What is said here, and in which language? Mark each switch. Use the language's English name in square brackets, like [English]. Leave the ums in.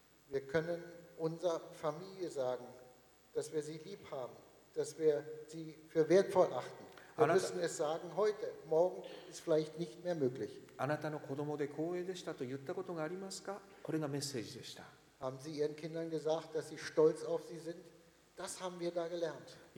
[German] wir können unserer Familie sagen, sie lieb haben, dass wir Wir sie für wertvoll achten. Wir müssen es sagen heute, Morgen ist vielleicht nicht mehr [Japanese] あなたの子供で光栄でしたと言ったことがありますかこれがメッセージでした。 [German] haben Sie Ihren Kindern gesagt, dass Sie stolz auf Sie sind? Das haben wir da gelernt.